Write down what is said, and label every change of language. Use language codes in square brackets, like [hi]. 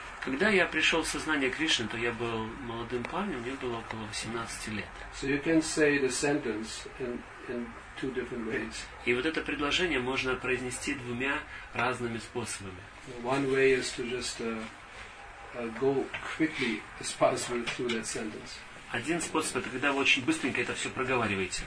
[ru] Когда я пришел в сознание Кришны, то я был молодым парнем, мне было около 18 лет. [en] So you can say the sentence in two different ways. [ru] И вот это предложение можно произнести двумя разными способами. [en] One way is to just go quickly as possible through that sentence. [ru] Один способ — это когда вы очень быстренько это все проговариваете.